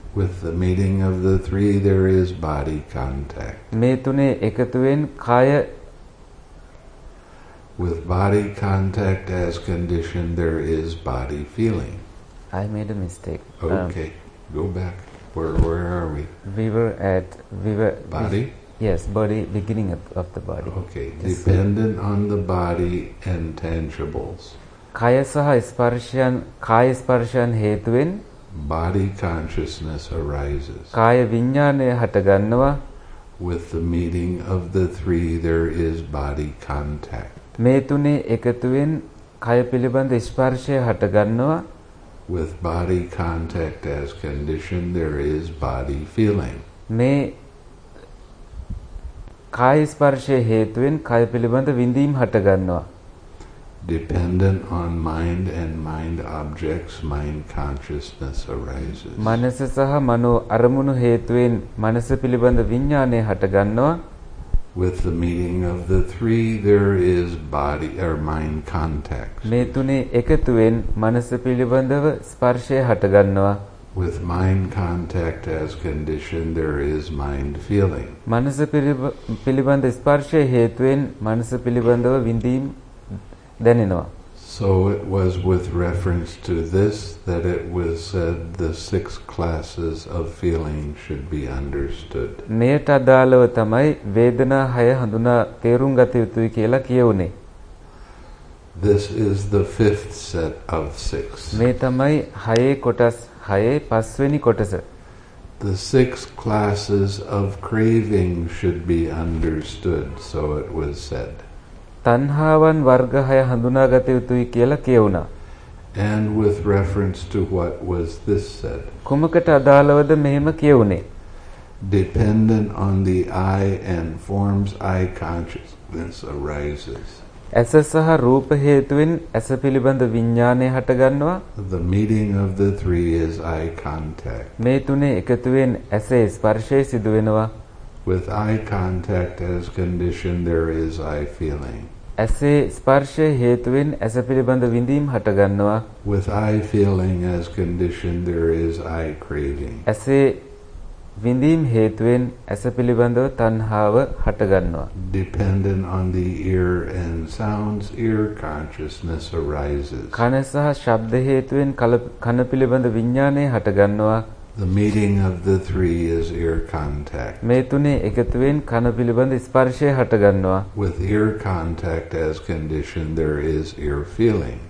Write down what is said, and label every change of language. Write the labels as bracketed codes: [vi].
[en] With the meeting of the three, there is body contact. [si] මේ තුනේ එකතුවෙන් කය. [en] With body contact as condition, there is body feeling. I made a mistake. Okay, go back. Where are we? We were at body. Yes, body, beginning of the body. Okay, just dependent see. On the body and tangibles. [si] කය සහ ස්පර්ශයන් කාය ස්පර්ශයන් හේතුවෙන් [en] body consciousness arises. [si] කාය විඥානය හටගන්නවා. [en] With the meeting of the three, there is body contact. [si] මේ තුනේ එකතුවෙන් කය පිළිබඳ ස්පර්ශය හටගන්නවා. [en] With body contact as condition, there is body feeling. [si] මේ කාය ස්පර්ශය හේතුවෙන් කය පිළිබඳ විඳීම් හටගන්නවා. [en] Dependent on mind and mind objects, mind consciousness arises. [si] මනස සහ මනෝ අරමුණු හේතුවෙන් මනස පිළිබඳ විඥානය හටගන්නවා. [en] with the meeting of the three, there is body or mind contact. [si] මේ තුනේ එකතුවෙන් මනස පිළිබඳව ස්පර්ශය හටගන්නවා. [en] With mind contact as condition, there is mind feeling. [si] මනස පිළිබඳ ස්පර්ශය හේතුවෙන් මනස පිළිබඳව විඳීම් දැනෙනවා. [en] So it was with reference to this that it was said the six classes of feeling should be understood. [si] මෙයට අදාළව තමයි වේදනා හය හඳුනා තේරුම් ගත යුතුයි කියලා කියවුනේ. [en] This is the fifth set of six. [si] මේ තමයි හයේ කොටස් හයේ පස්වෙනි කොටස. [en] The six classes of craving should be understood, so it was said. [si] තණ්හාවන් වර්ග 6 හඳුනාගත යුතුයි කියලා කියුණා. [en] And with reference to what was this said? [si] කුමකට අදාළවද මෙහෙම කියුනේ? [en] Dependent on the eye and forms eye consciousness arises. [si] ඇස සහ රූප හේතුවෙන් ඇස පිළිබඳ විඥානය හටගන්නවා. [en] The meeting of the three is eye contact. [si] මේ තුනේ එකතුවෙන් ඇසේ ස්පර්ශය සිදු වෙනවා. [en] With eye contact as condition, there is eye feeling. [si] ඇසේ ස්පර්ශය හේතුවෙන් ඇස පිළිබඳ විඳීම් හටගන්නවා. [en] With eye feeling as condition, there is eye craving. [si] ඇසේ විඳීම් හේතුවෙන් ඇස පිළිබඳව තණ්හාව හටගන්නවා. [en] Dependent on the ear and sounds, ear consciousness arises. [si] කන සහ ශබ්ද හේතුවෙන් කන පිළිබඳ විඥානය හටගන්නවා. [en] The meeting of the three is ear contact. [si] මේ තුනේ එකතුවෙන් කන පිළිබඳ ස්පර්ශය හටගන්නවා. [en] With ear contact as condition, there is ear feeling.